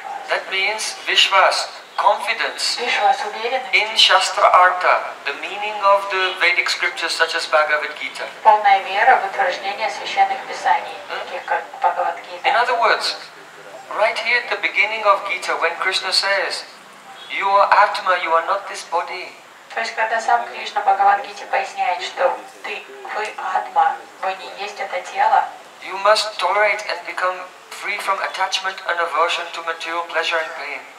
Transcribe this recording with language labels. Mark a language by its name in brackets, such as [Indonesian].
[English] That means вишвас, confidence. [Russian] Вишвас, уверенность. [English] In шастра артха, the meaning of the Vedic scriptures such as Bhagavad-Gita. [Russian] Полная вера в утверждение священных писаний, таких как Бхагавад-Гита. [English] In other words, right here at the beginning of Gita, when Krishna says, you are Atma, you are not this body. [Russian] То есть, когда сам Кришна Бхагавад-Гите поясняет, что вы атма, вы не есть это тело. [English] You must tolerate and become free from attachment and aversion to material pleasure and pain.